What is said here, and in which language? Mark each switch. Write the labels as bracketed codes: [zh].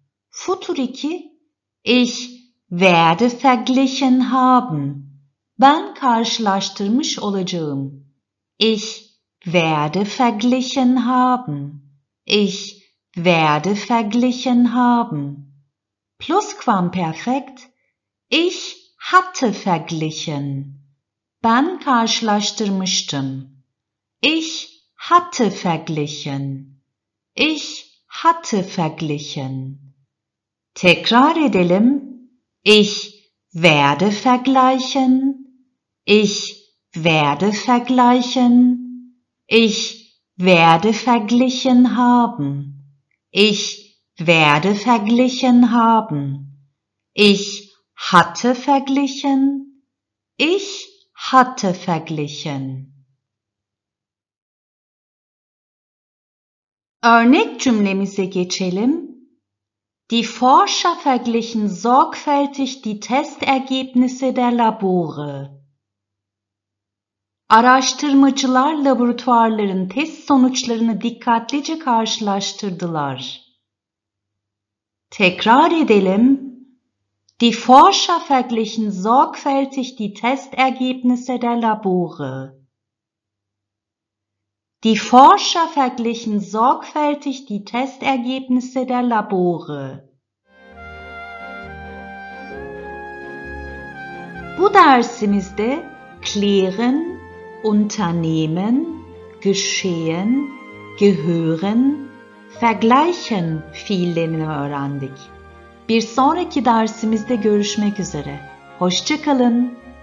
[de] Futur 2. Ich werde verglichen haben. [tr] Ben karşılaştırmış olacağım. [de] Ich werde verglichen haben. Ich werde verglichen haben. Plusquamperfekt. Ich hatte verglichen. [tr] Ben karşılaştırmıştım. [de] Ich hatte verglichen. Ich hatte verglichen. [tr] Tekrar edelim. [de] Ich werde vergleichen. Ich werde vergleichen. Ich werde verglichen haben. Ich werde verglichen haben. Ich hatte verglichen. Ich hatte verglichen. [tr] Örnek cümlemize geçelim. [de] Die Forscher verglichen sorgfältig die Testergebnisse der Labore. [tr] Araştırmacılar laboratuvarların test sonuçlarını dikkatlice karşılaştırdılar. Tekrar edelim. [de] Die Forscher verglichen sorgfältig die Testergebnisse der Labore. Die Forscher verglichen sorgfältig die Testergebnisse der Labore. [tr] Bu dersimizde klären, unternehmen, geschehen, gehören, vergleichen fiillerini öğrendik. Bir sonraki dersimizde görüşmek üzere. Hoşça kalın.